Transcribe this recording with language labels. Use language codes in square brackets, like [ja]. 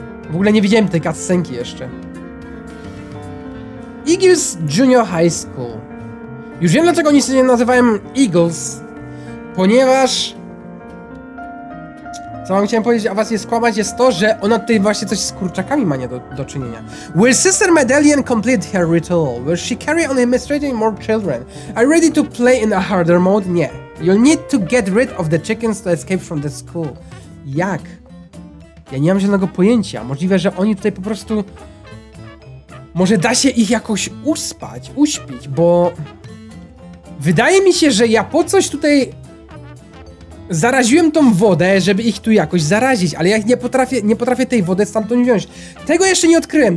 [pl] W ogóle nie widziałem tej cutscenki jeszcze. Eagles Junior High School. Już wiem, dlaczego oni się nazywałem Eagles. Ponieważ... Co wam chciałem powiedzieć, a was nie skłamać, jest to, że ona tutaj właśnie coś z kurczakami ma nie do czynienia. [en] Will Sister Medallion complete her ritual? Will she carry on administrating more children? Are you ready to play in a harder mode? [pl] Nie. [en] You'll need to get rid of the chickens to escape from the school. [pl] Jak? Ja nie mam żadnego pojęcia. Możliwe, że oni tutaj po prostu... Może da się ich jakoś uspać, uśpić, bo... Wydaje mi się, że ja po coś tutaj... Zaraziłem tą wodę, żeby ich tu jakoś zarazić, ale ja nie potrafię tej wody stamtąd wziąć. Tego jeszcze nie odkryłem.